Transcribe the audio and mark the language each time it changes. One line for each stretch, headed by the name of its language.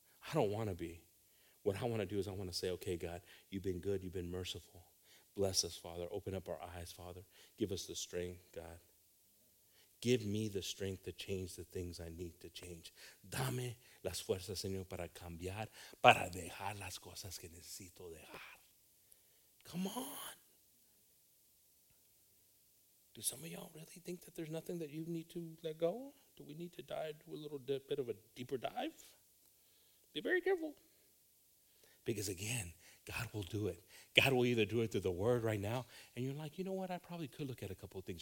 English: I don't want to be. What I want to do is I want to say, okay, God, you've been good. You've been merciful. Bless us, Father. Open up our eyes, Father. Give us the strength, God. Give me the strength to change the things I need to change.
Spanish: Dame las fuerzas, Señor, para cambiar, para dejar las cosas que necesito dejar.
English: Come on. Do some of y'all really think that there's nothing that you need to let go? Do we need to dive to a little bit of a deeper dive? Be very careful. Because again, God will do it. God will either do it through the word right now, and you're like, you know what, I probably could look at a couple of things.